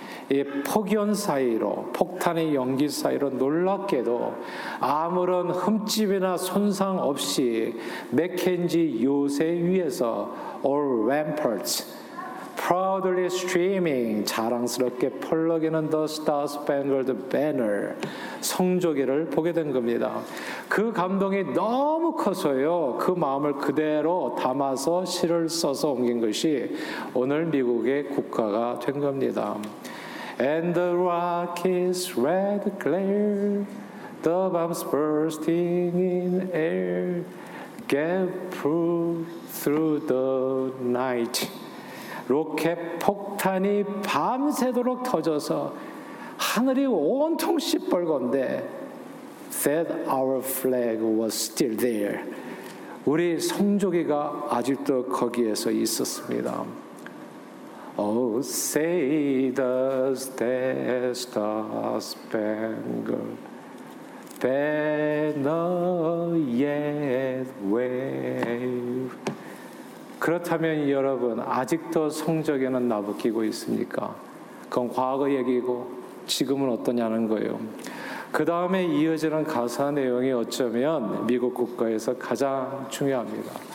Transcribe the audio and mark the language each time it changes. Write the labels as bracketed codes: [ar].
[ko] 이 폭연 사이로 폭탄의 연기 사이로 놀랍게도 아무런 흠집이나 손상 없이 맥켄지 요새 위에서 [en] All Ramparts Proudly Streaming [ko] 자랑스럽게 펄럭이는 [en] The Star-Spangled Banner [ko] 성조기를 보게 된 겁니다. 그 감동이 너무 커서요 그 마음을 그대로 담아서 시를 써서 옮긴 것이 오늘 미국의 국가가 된 겁니다. [en] And the rockets red glare, the bombs bursting in air, gap through the night. [ko] 로켓 폭탄이 밤새도록 터져서 하늘이 온통 시뻘건데 [en] that our flag was still there. [ko] 우리 성조기가 아직도 거기에서 있었습니다. [en] Oh, say does that star-spangled banner yet wave? [ko] 그렇다면 여러분 아직도 성적에는 나부끼고 있습니까? 그건 과거 얘기고 지금은 어떠냐는 거예요. 그 다음에 이어지는 가사 내용이 어쩌면 미국 국가에서 가장 중요합니다.